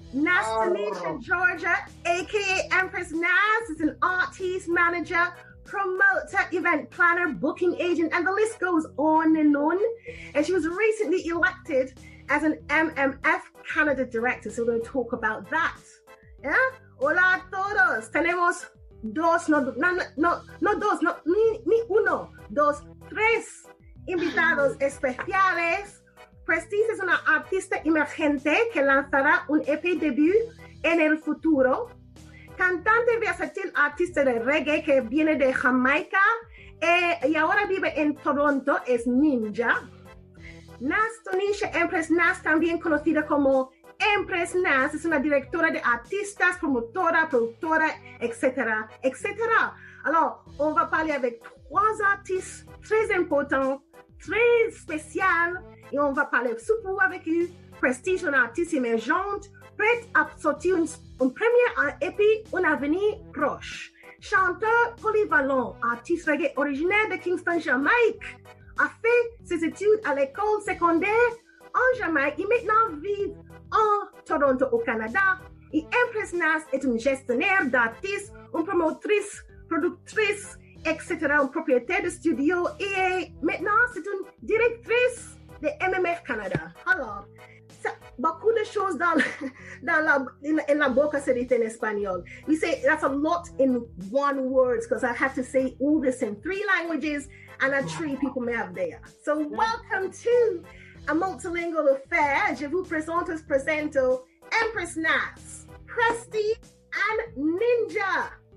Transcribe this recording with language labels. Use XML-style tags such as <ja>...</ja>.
<en>Nastination, Georgia, aka Empress Naz, is an artist, manager, promoter, event planner, booking agent, and the list goes on and on. And she was recently elected as an MMF Canada director, so we're going to talk about that.</en> <es>Yeah? Hola a todos. Tenemos dos, ni uno, dos, tres invitados especiales. Prestige es una artista emergente que lanzará un EP debut en el futuro. Cantante versátil, artista de reggae que viene de Jamaica y ahora vive en Toronto, es ninja. Nastonisha Empress Naz, también conocida como Empress Naz, es una directora de artistas, promotora, productora, etcétera, etcétera.</es> <fr>Alors, on va parler avec trois artistes très importants, très spéciales, et on va parler surtout avec eux. Prestige, une artiste émergente, prête à sortir un premier EP, un avenir proche. Chanteur polyvalent, artiste reggae originaire de Kingston, Jamaïque, a fait ses études à l'école secondaire en Jamaïque et maintenant vit en Toronto, au Canada. Et Empress Naz est une gestionnaire d'artistes, une promotrice, productrice, etc., une propriétaire de studio et maintenant c'est une directrice de MMF Canada. Alors, ça, beaucoup de choses dans la boca se dit en espagnol.</fr> <en>We say that's a lot in one word because I have to say all this in three languages and a three people may have there. So welcome to A Multilingual Affair.</en> <fr>Je vous présente, Empress Naz, Presti,</fr> <en>and</en> <fr>Ninja.</fr>